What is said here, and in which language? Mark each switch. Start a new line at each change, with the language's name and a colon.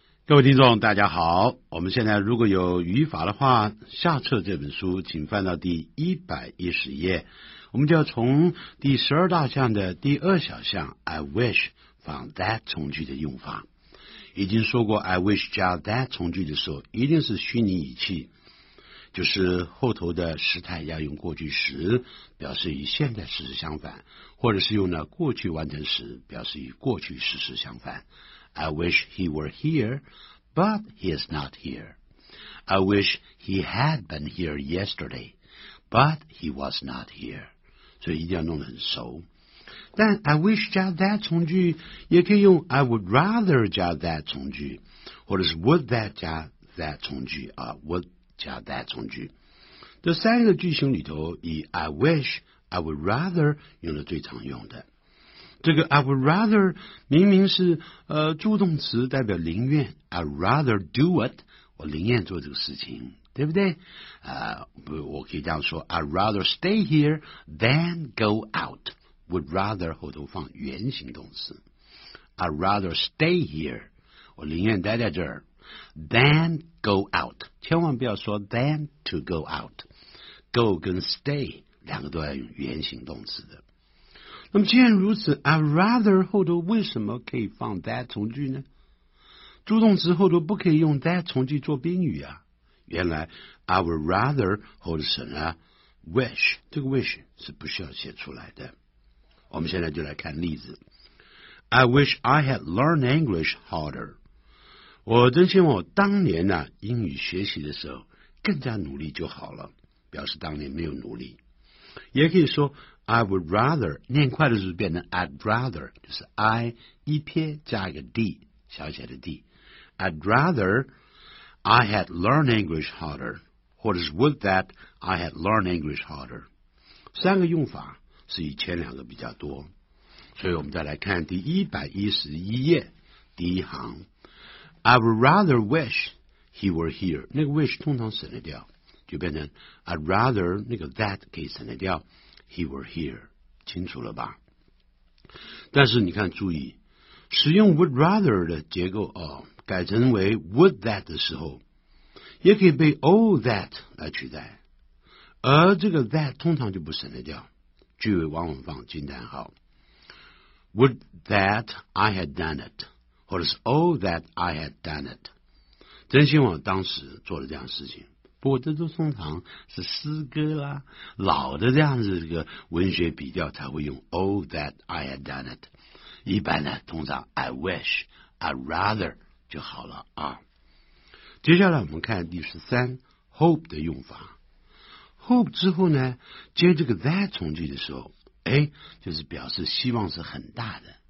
Chinese: 各位听众大家好，我们现在如果有语法的话，下册这本书请翻到第110页，我们就要从第12大项的第2小项
English: I wish
Chinese: 放 that 从句的用法。已经说过
English: I wish
Chinese: 加 that 从句的时候一定是虚拟语气，就是后头的时态要用过去时表示与现在事实相反，或者是用了过去完成时表示与过去事实相反。
English: I wish he were here, but he is not here. I wish he had been here yesterday, but he was not here.
Chinese: 所以一定要弄得很熟。但
English: I wish
Chinese: 加 that 从句也可以用
English: I would rather
Chinese: 加 that 从句，或者是
English: would that
Chinese: 加 that 从句啊 ，would 加 that 从句。这三个句型里头，以
English: I wish、 I would rather
Chinese: 用的最常用的。这个
English: I would rather
Chinese: 明明是助动词代表宁愿
English: I'd rather do it
Chinese: 我宁愿做这个事情，对不对？我可以这样说
English: I'd rather stay here than go out， would rather
Chinese: 后头放原形动词
English: I'd rather stay here
Chinese: 我宁愿待在这儿
English: than go out，
Chinese: 千万不要说
English: than to go out，
Chinese: go 跟 stay 两个都要用原形动词的。那么既然如此
English: I'd rather
Chinese: 后头为什么可以放 that 从句呢？助动词后头不可以用 that 从句做宾语啊。原来
English: I would rather
Chinese: 后头省了 wish， 这个 wish 是不需要写出来的。我们现在就来看例子。
English: I wish I had learned English harder，
Chinese: 我真希望我当年呢、英语学习的时候更加努力就好了，表示当年没有努力。也可以说
English: I would rather，
Chinese: 念快的时候变成
English: I'd rather，
Chinese: 就是 I 一撇加一个 D， 小写的 D。
English: I'd rather I had learned English harder，
Chinese: 或者是
English: would that I had learned English harder，
Chinese: 三个用法是以前两个比较多。所以我们再来看第111页第一行，
English: I would rather wish he were here，
Chinese: 那个 wish 通常省得掉，就变成
English: I'd rather
Chinese: 那个 that 可以省得掉
English: He were here，
Chinese: 清楚了吧？但是你看，注意使用
English: would rather
Chinese: 的结构哦，改成为
English: would that
Chinese: 的时候，也可以被
English: oh that
Chinese: 来取代，而这个 that 通常就不省得掉，句尾往往放惊叹号。
English: Would that I had done it，
Chinese: 或者是
English: oh that I had done it，
Chinese: 真希望当时做了这样的事情。不过这都通常是诗歌啦，老的这样子这个文学比较才会用
English: Oh that I had done it，
Chinese: 一般呢通常
English: I wish I'd rather
Chinese: 就好了啊。接下来我们看第13 Hope 的用法。Hope 之后呢接这个 that 从句的时候，哎，就是表示希望是很大的。